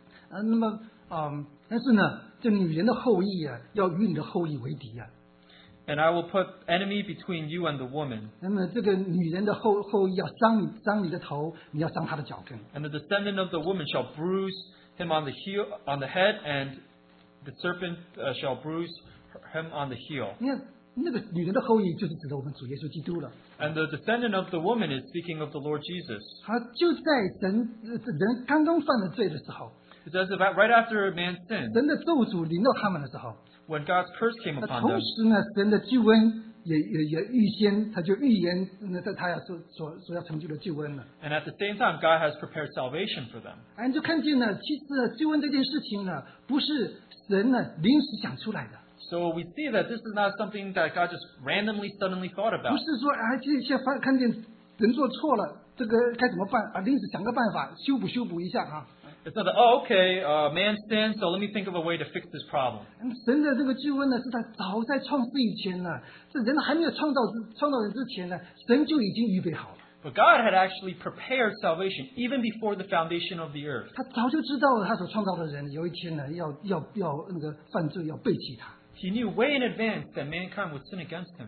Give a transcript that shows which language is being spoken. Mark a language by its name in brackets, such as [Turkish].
[Chinese] 那么，但是呢，这女人的后裔啊，要与你的后裔为敌啊。 [English] And I will put enemy between you and the woman. [Chinese] 那么这个女人的后裔要伤你的头，你要伤她的脚跟。 [English] And the descendant of the woman shall bruise him on the heel, on the head, and the serpent shall bruise him on the heel. [Chinese] 那个女人的后裔就是指的我们主耶稣基督了。 [English] And the descendant of the woman is speaking of the Lord Jesus. [Chinese] 他就在人刚刚犯了罪的时候。 [English] It's about right after a man sinned. [Chinese] 人的咒诅临到他们的时候。 [English] When God's curse came upon them, [Chinese] 那同时呢，神的救恩也预先，他就预言那在他要所要成就的救恩了。 [English] And at the same time, God has prepared salvation for them. [Chinese] 哎，你就看见呢，其实救恩这件事情呢，不是神呢临时想出来的。 [English] So we see that this is not something that God just randomly suddenly thought about. [Chinese] 不是说哎，这些看见人做错了，这个该怎么办啊？临时想个办法修补一下啊。 [English] It's not that, oh, okay, man sinned, so let me think of a way to fix this problem. [Chinese] 神的这个救恩呢，是他早在创世以前呢，这人还没有创造人之前呢，神就已经预备好了。 [English] But God had actually prepared salvation even before the foundation of the earth. [Chinese] 他早就知道了他所创造的人有一天呢，要那个犯罪，要背弃他。 [English] He knew way in advance that mankind would sin against him.